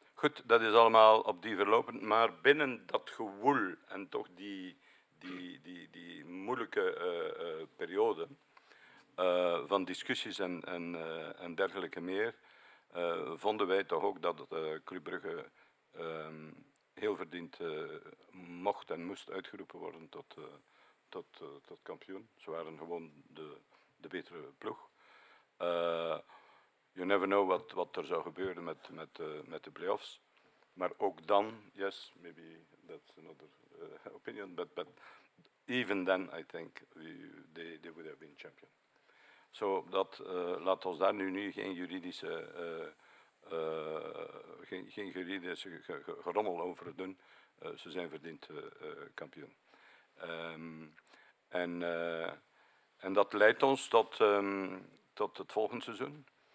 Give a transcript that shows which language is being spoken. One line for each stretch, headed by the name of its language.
Dutch: Goed, dat is allemaal op die verlopen, maar binnen dat gewoel en toch die moeilijke periode van discussies en dergelijke meer, vonden wij toch ook dat Club Brugge heel verdiend mocht en moest uitgeroepen worden tot kampioen. Ze waren gewoon de betere ploeg.
English: You never know
Dutch: wat er zou gebeuren met de play-offs. Maar ook dan,
English: yes, maybe that's another opinion, but even then, I think, they would have been champion.
Dutch: So, laat ons daar nu geen juridische gerommel over doen. Ze zijn verdiend kampioen. En dat leidt ons tot het volgende seizoen.